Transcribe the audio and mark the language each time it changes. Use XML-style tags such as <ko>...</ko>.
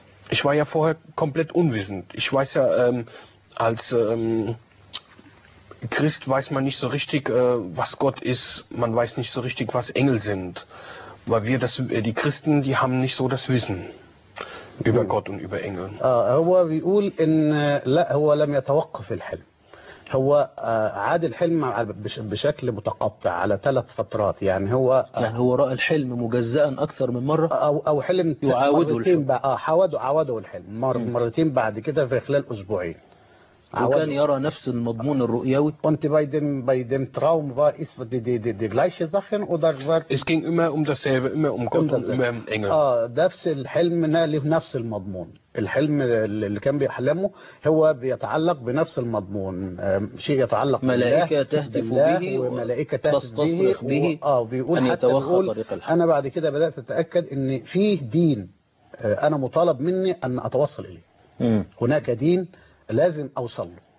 <de>Ich war ja vorher komplett unwissend. Ich weiß ja, als Christ weiß man nicht so richtig, was Gott ist. Man weiß nicht so richtig, was Engel sind. Weil wir, das, die Christen, die haben nicht so das Wissen über Gott und über Engel. Er sagt, er hat nicht den Traum</de> <ar>هو عادل حلم بشكل متقطع على ثلاث فترات، يعني هو هو رأى الحلم مجزئا أكثر من مرة، أو حلم يعاوده مرتين عاوده الحلم مرتين بعد كده في خلال أسبوعين، وكان يرى نفس المضمون الرؤيوي.</ar> <de>Und bei dem Traum war es die gleiche Sachen oder war es ging immer um dasselbe immer um Gott und immer um Engel.</de> <ar>نفس الحلم نفس المضمون، الحلم اللي كان بيحلمه هو بيتعلق بنفس المضمون، شيء يتعلق ملائكة تهدف به وملائكة تهدف به بيقول أن يتوخى طريق الحلم. أنا بعد كده بدأت أتأكد أن فيه دين أنا مطالب مني أن أتوصل إليه، هناك دين لازم أوصل له.</ar>